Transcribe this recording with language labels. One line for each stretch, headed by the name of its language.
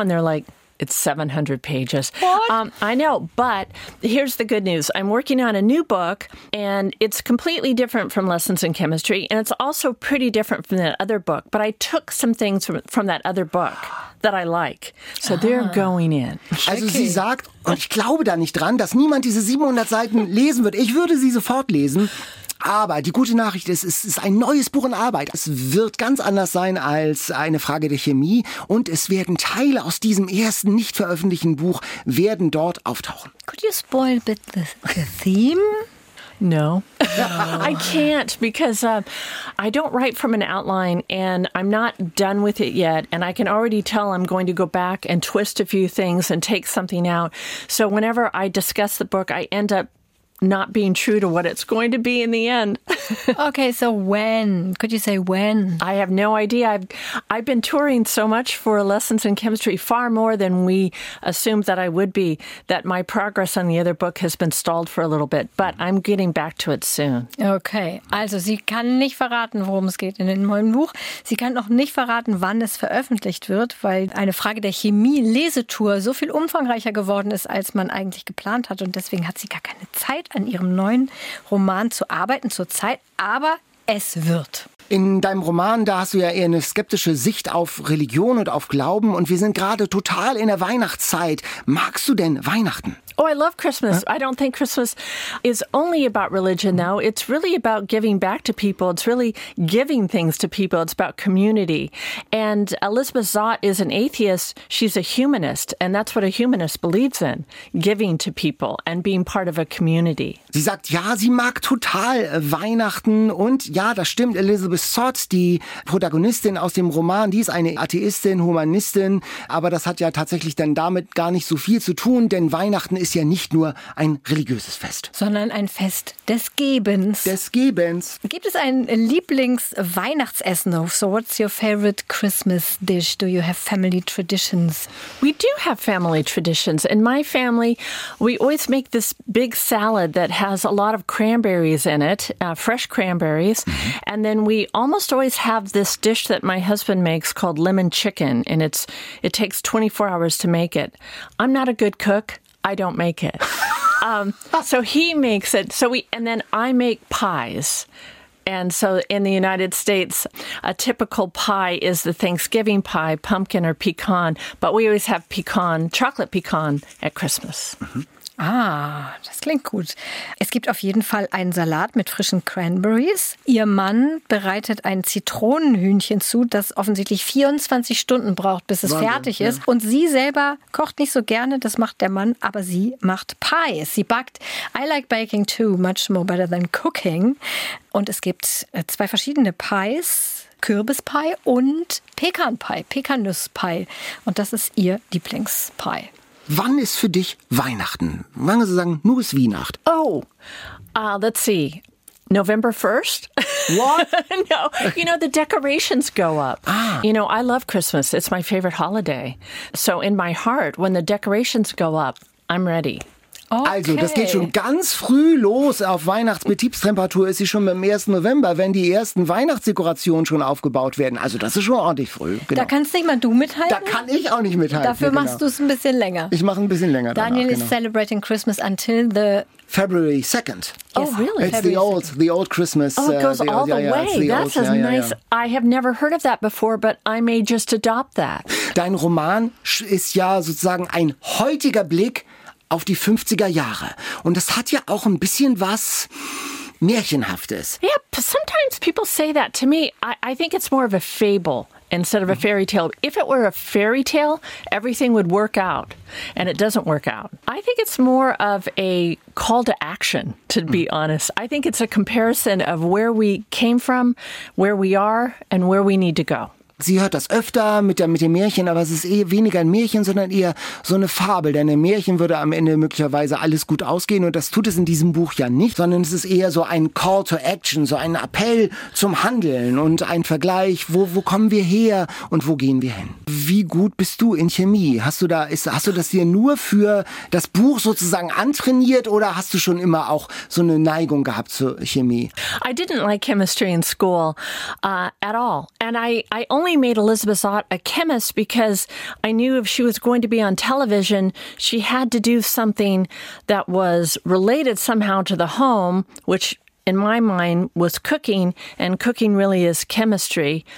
English: And they're like, "It's 700 pages." What? I know, but here's the good news. I'm working on a new book, and it's completely different from Lessons in Chemistry, and it's also pretty different from that other book. But I took some things from that other book that I like. So they're going in. Also okay.
German: Sie sagt, und ich glaube da nicht dran, dass niemand diese 700 Seiten lesen wird. Ich würde sie sofort lesen. Aber die gute Nachricht ist, es ist ein neues Buch in Arbeit. Es wird ganz anders sein als eine Frage der Chemie. Und es werden Teile aus diesem ersten nicht veröffentlichten Buch werden dort auftauchen.
English: Could you spoil a bit the theme? No. I can't, because I don't write from an outline, and I'm not done with it yet. And I can already tell I'm going to go back and twist a few things and take something out. So whenever I discuss the book, I end up not being true to what it's going to be in the end. Okay, so when? Could you say when? I have no idea. I've been touring so much for Lessons in Chemistry, far more than we assumed that I would be, that my progress on the other book has been stalled for a little bit. But I'm getting back to it soon.
German: Okay, also sie kann nicht verraten, worum es geht in dem neuen Buch. Sie kann auch nicht verraten, wann es veröffentlicht wird, weil eine Frage der Chemie-Lesetour so viel umfangreicher geworden ist, als man eigentlich geplant hat. Und deswegen hat sie gar keine Zeit, an ihrem neuen Roman zu arbeiten zurzeit, aber es wird. In deinem Roman, da hast du ja eher eine skeptische Sicht auf Religion und auf Glauben, und wir sind gerade total in der Weihnachtszeit. Magst du denn Weihnachten?
English: Oh, I love Christmas. I don't think Christmas is only about religion, though. It's really about giving back to people. It's really giving things to people. It's about community. And Elizabeth Zott is an atheist. She's a humanist. And that's what a humanist believes in, giving to people and being part of a community.
German: Sie sagt, ja, sie mag total Weihnachten. Und ja, das stimmt, Elizabeth Zott, die Protagonistin aus dem Roman, die ist eine Atheistin, Humanistin. Aber das hat ja tatsächlich dann damit gar nicht so viel zu tun, denn Weihnachten ist ja nicht nur ein religiöses Fest. Sondern ein Fest des Gebens. Des Gebens. Gibt es ein Lieblingsweihnachtsessen?
English: So what's your favorite Christmas dish? Do you have family traditions? We do have family traditions. In my family, we always make this big salad that has a lot of cranberries in it, fresh cranberries. And then we almost always have this dish that my husband makes called lemon chicken. And it takes 24 hours to make it. I'm not a good cook. I don't make it. So he makes it. So we, and then I make pies. And so in the United States, a typical pie is the Thanksgiving pie, pumpkin or pecan. But we always have pecan, chocolate pecan at Christmas.
German: Mm-hmm. Ah, das klingt gut. Es gibt auf jeden Fall einen Salat mit frischen Cranberries. Ihr Mann bereitet ein Zitronenhühnchen zu, das offensichtlich 24 Stunden braucht, bis es Wahnsinn, fertig ist. Ja. Und sie selber kocht nicht so gerne, das macht der Mann, aber sie macht Pies. Sie backt,
English: I like baking too, much more better than cooking.
German: Und es gibt zwei verschiedene Pies. Kürbispie und Pecanpie, Pecannusspie. Und das ist ihr Lieblingspie. Wann ist für dich Weihnachten? Wann kannst du sagen, nur ist Weihnacht?
English: Oh, let's see. November 1st? What? No. You know, the decorations go up. Ah. You know, I love Christmas. It's my favorite holiday. So in my heart, when the decorations go up, I'm ready. Okay.
German: Also, das geht schon ganz früh los auf Weihnachtsbetriebstemperatur. Ist sie schon am 1. November, wenn die ersten Weihnachtsdekorationen schon aufgebaut werden. Also, das ist schon ordentlich früh. Genau. Da kannst nicht mal du mithalten. Da kann ich auch nicht mithalten. Dafür machst du es ein bisschen länger. Ich mache ein bisschen länger danach.
English: Daniel is celebrating Christmas until the... February 2nd. Yes. Oh, really? It's February 2nd. The old Christmas. Oh, it goes all the way. That's as nice. I have never heard of that before, but I may just adopt that.
German: Dein Roman ist ja sozusagen ein heutiger Blick auf die 50er Jahre. Und das hat ja auch ein bisschen was Märchenhaftes.
English: Yeah, sometimes people say that to me. I think it's more of a fable instead of a fairy tale. If it were a fairy tale, everything would work out. And it doesn't work out. I think it's more of a call to action, to be honest. I think it's a comparison of where we came from, where we are, and where we need to go.
German: Sie hört das öfter mit dem Märchen, aber es ist eher weniger ein Märchen, sondern eher so eine Fabel. Denn im Märchen würde am Ende möglicherweise alles gut ausgehen und das tut es in diesem Buch ja nicht, sondern es ist eher so ein
English: Call to Action,
German: so ein Appell zum Handeln und ein Vergleich, wo kommen wir her und wo gehen wir hin? Wie gut bist du in Chemie? Hast du das dir nur für das Buch sozusagen antrainiert oder hast du schon immer auch so eine Neigung gehabt zur Chemie?
English: I didn't like chemistry in school at all. And I only made Elizabeth Zott a chemist because I knew if she was going to be on television, she had to do something that was related somehow to the home, which in my mind was cooking, and cooking really is chemistry.